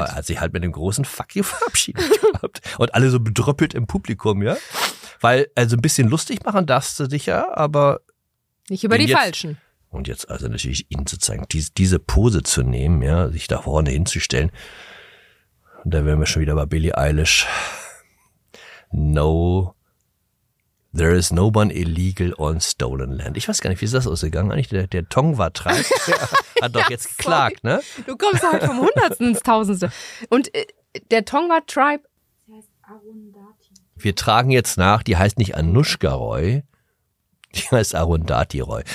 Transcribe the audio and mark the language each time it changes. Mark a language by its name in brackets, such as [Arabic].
[German] Hat sich halt mit dem großen Fuck you verabschiedet gehabt. Und alle so bedröppelt im Publikum, ja? Weil, also ein bisschen lustig machen darfst du dich ja, aber... Nicht über die Falschen. Und jetzt also natürlich ihnen zu zeigen, diese Pose zu nehmen, ja, sich da vorne hinzustellen. Und da wären wir schon wieder bei Billie Eilish. [English] No, there is no one illegal on stolen land. [German] Ich weiß gar nicht, wie ist das ausgegangen eigentlich? Der Tongva-Treib hat doch ja, jetzt geklagt, ne? Du kommst halt vom Hundertsten ins Tausendste. Und der Tongva-Treib heißt, wir tragen jetzt nach, die heißt nicht Anushka Roy, die heißt Arundhati Roy.